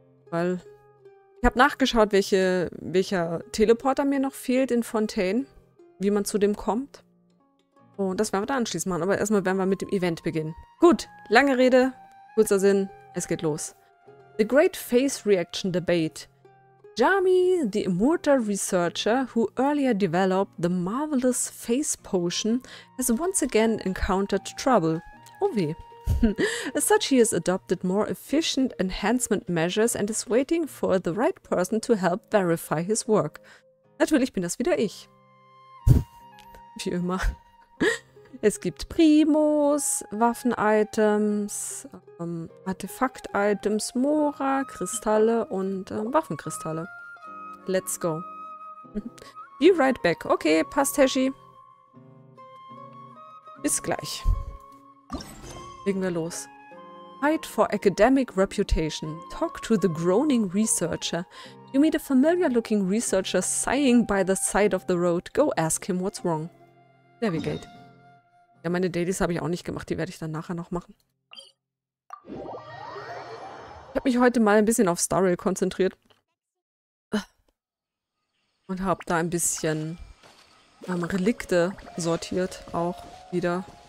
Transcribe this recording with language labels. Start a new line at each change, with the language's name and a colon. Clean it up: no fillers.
German: Weil ich habe nachgeschaut, welcher Teleporter mir noch fehlt in Fontaine, wie man zu dem kommt. Und das werden wir dann anschließend machen, aber erstmal werden wir mit dem Event beginnen. Gut, lange Rede, kurzer Sinn, es geht los.
English: The Great Face Reaction Debate. Jami, the immortal researcher who earlier developed the marvelous face potion, has once again encountered trouble.
German: Oh weh.
English: As such, he has adopted more efficient enhancement measures and is waiting for the right person to help verify his work.
German: Natürlich bin das wieder ich. Wie immer. Es gibt Primos, Waffen-Items, Artefakt-Items, Mora, Kristalle und Waffenkristalle.
English: Let's go. Be right back. Okay,
German: passt,
English: Heshi.
German: Bis gleich. Legen wir los.
English: Fight for academic reputation. Talk to the groaning researcher. You meet a familiar-looking researcher sighing by the side of the road. Go ask him what's wrong. Navigate.
German: Ja, meine Dailies habe ich auch nicht gemacht. Die werde ich dann nachher noch machen. Ich habe mich heute mal ein bisschen auf Star Rail konzentriert. Und habe da ein bisschen Relikte sortiert auch wieder.